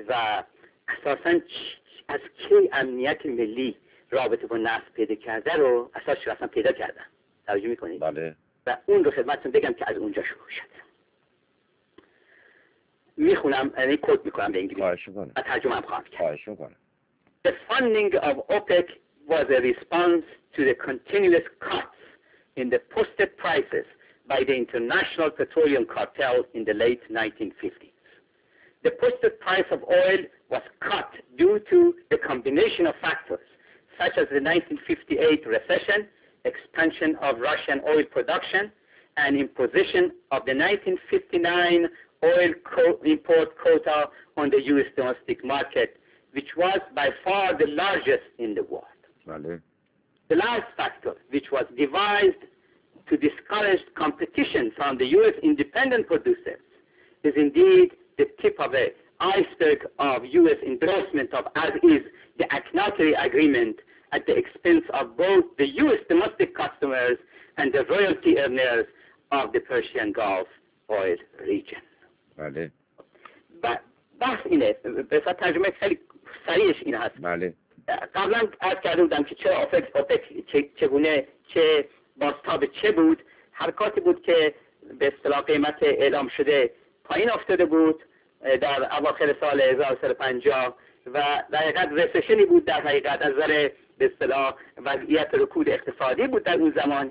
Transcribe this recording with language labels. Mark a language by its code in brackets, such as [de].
[fa] و اساساً از کی امنیت ملی رابطه با نفت پیدا کرده رو اساساً پیدا کردم. توجه میکنید؟ بله. و اون رو خدمتتون بگم که از اونجا شروع شد. میخونم، یعنی کد میکنم به انگلیسی. خواهش میکنم. و ترجمه هم خواهم کرد. خواهش میکنم. [en] The funding of OPEC was a response to the continuous cuts in the posted prices by the International Petroleum Cartel in the late 1950s. The posted price of oil was cut due to the combination of factors such as the 1958 recession, expansion of Russian oil production, and imposition of the 1959 oil import quota on the U.S. domestic market, which was by far the largest in the world. Vale. The last factor, which was devised to discourage competition from the U.S. independent producers, is indeed the tip of an iceberg of U.S. endorsement of, as is, the Akhenaten Agreement at the expense of both the U.S. domestic customers and the royalty earners of the Persian Gulf oil region. Vale. [fa] بس اینه، بسیار ترجمه خیلی سریعش این هست. بله. قبلا عرض کرده بودم که چرا اوپک چگونه چه بازتاب چه بود، حرکاتی بود که به اصطلاح قیمت اعلام شده پایین افتاده بود در اواخر سال 1950 و در حقیقت رسشنی بود در حقیقت از ذره به اصطلاح وضعیت رکود اقتصادی بود در اون زمان.